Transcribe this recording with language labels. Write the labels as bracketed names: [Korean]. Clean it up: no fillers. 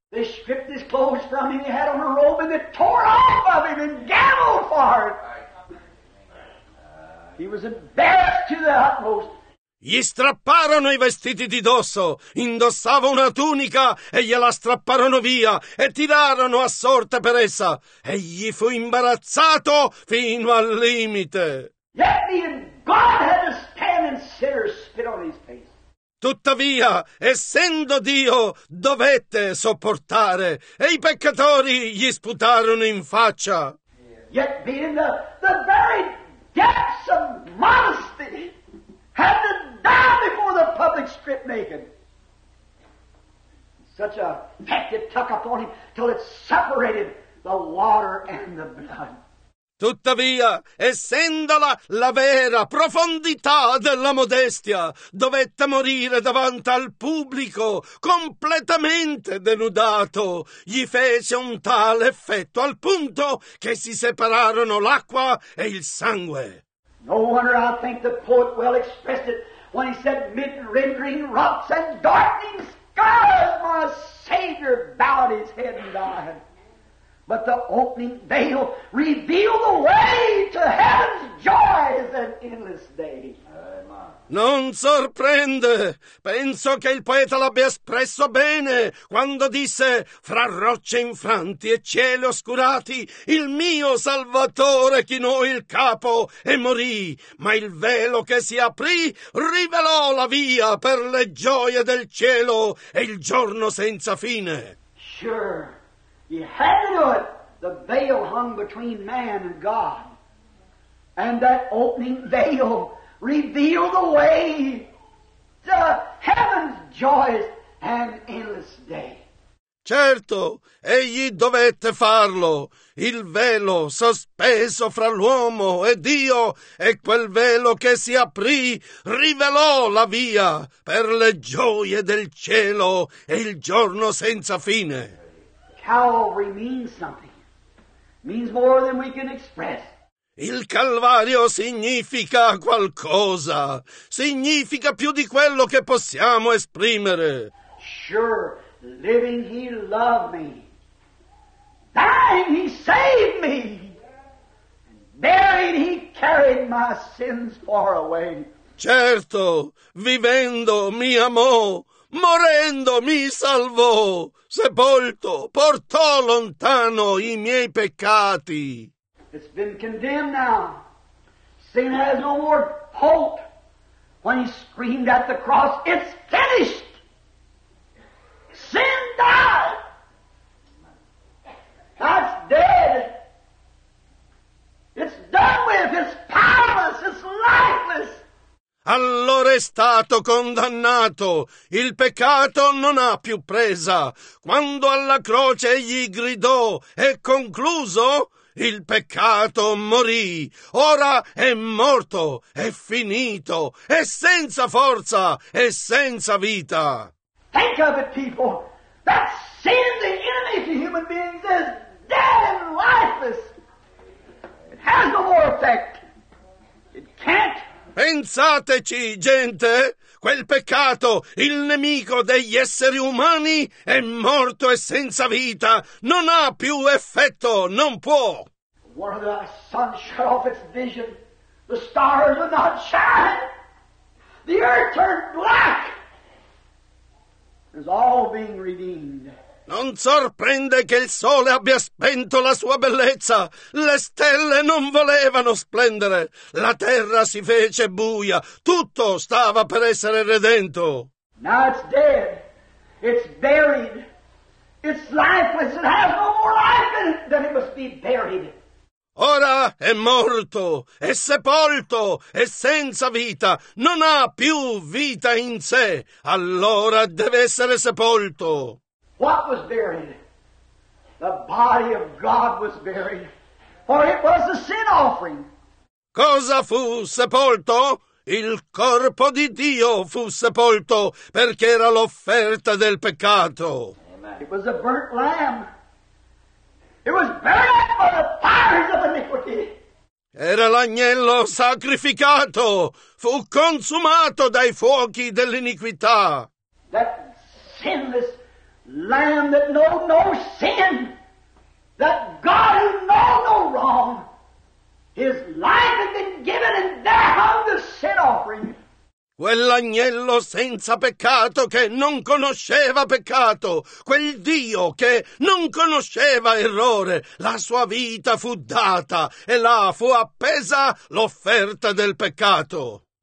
[English] They stripped his clothes from him, he had on a robe, and they tore off of him and gambled for it. He was embarrassed to the utmost. [Italian] Gli strapparono i vestiti di dosso, indossava una tunica e gliela strapparono via e tirarono a sorte per essa. Egli fu imbarazzato fino al limite. [English] Yet even God had to stand and sinners spit on his face. [Italian] Tuttavia, essendo Dio, dovette sopportare e i peccatori gli sputarono in faccia. [English] Yet being the very depths of modesty had to die before the public strip naked. Such a fact it took upon him till it separated the water and the blood. [Italian] Tuttavia, essendola la vera profondità della modestia, dovette morire davanti al pubblico, completamente denudato. Gli fece un tale effetto, al punto che si separarono l'acqua e il sangue. [English] No wonder I think the poet well expressed it when he said, mid rendering rocks and darkening skies, my Savior bowed his head and died. But the opening veil revealed the way to heaven's joys and endless day. [Italian] Non sorprende. Penso che il poeta l'abbia espresso bene quando disse: fra rocce infranti e cieli oscurati, il mio Salvatore chinò il capo e morì. Ma il velo che si aprì rivelò la via per le gioie del cielo e il giorno senza fine. [English] Sure, he had to do it. The veil hung between man and God, and that opening veil reveal the way to heaven's joys and endless day. [Italian] Certo, egli dovette farlo. Il velo sospeso fra l'uomo e Dio, e quel velo che si aprì rivelò la via per le gioie del cielo e il giorno senza fine. [English] Calvary means something. Means more than we can express. [Italian] Il Calvario significa qualcosa. Significa più di quello che possiamo esprimere. [English] Sure, living he loved me. Dying he saved me. Buried he carried my sins far away. [Italian] Certo, vivendo mi amò. Morendo mi salvò. Sepolto portò lontano i miei peccati. [English] It's been condemned now. Sin has no more hope. When he screamed at the cross, it's finished. Sin died. That's dead. It's done with. It's powerless. It's lifeless. [Italian] Allora è stato condannato. Il peccato non ha più presa. Quando alla croce egli gridò, è concluso. Il peccato morì, ora è morto, è finito, è senza forza, è senza vita. [English] Think of it, people. That sin, the enemy to human beings, is dead and lifeless. It has no more effect. It can't. [Italian] Pensateci, gente. Quel peccato, il nemico degli esseri umani, è morto e senza vita. Non ha più effetto, non può. [English] One of the sun shut off its vision. The stars would not shine. The earth turned black. It's all being redeemed. [Italian] Non sorprende che il sole abbia spento la sua bellezza. Le stelle non volevano splendere. La terra si fece buia. Tutto stava per essere redento. [English] Now it's dead. It's buried. It's lifeless. It has no more life in it. Then it must be buried. [Italian] Ora è morto, è sepolto, è senza vita, non ha più vita in sé, allora deve essere sepolto. [English] What was buried? the body of God was buried, for it was a sin offering. [Italian] Cosa fu sepolto? Il corpo di Dio fu sepolto perché era l'offerta del peccato. [English] Amen. It was a burnt lamb. It was burnt up by the fires of iniquity. [Italian] Era l'agnello sacrificato. Fu consumato dai fuochi dell'iniquità. [English] That sinless lamb that knew no sin, that God who knew no wrong, his life had been given and there hung the sin offering. [Italian] Quell'agnello senza peccato che non conosceva peccato, quel Dio che non conosceva errore, la sua vita fu data e là fu appesa l'offerta del peccato.